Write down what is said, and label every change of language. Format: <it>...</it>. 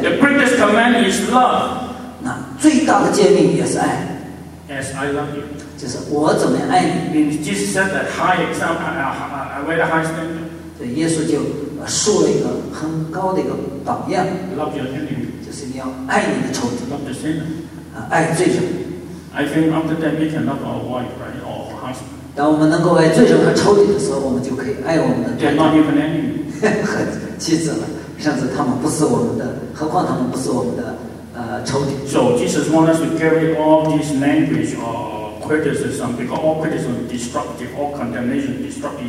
<en>The greatest command is love.</en> <zh>那最大的诫命也是爱。</zh> <en>As I love you,</en> <zh>就是我怎么爱你。</zh> <en>Means Jesus set a high example, a very high standard.</en> <zh>对，耶稣就树了一个很高的一个榜样。</zh> <en>Love your enemy,</en> <zh>就是你要爱你的仇敌。</zh> <en>Love the sinner,</en> <zh>爱罪人。</zh> <en>I think after that we can love our wife, right, or our husband.</en> <zh>当我们能够爱罪人和仇敌的时候，我们就可以爱我们的。</zh> <en>They're not even enemy.</en> <zh>和妻子了，甚至他们不是我们的，何况他们不是我们的。</zh> <en>So Jesus wants us to carry all this language of criticism, because all criticism is destructive, all condemnation is destructive.</en>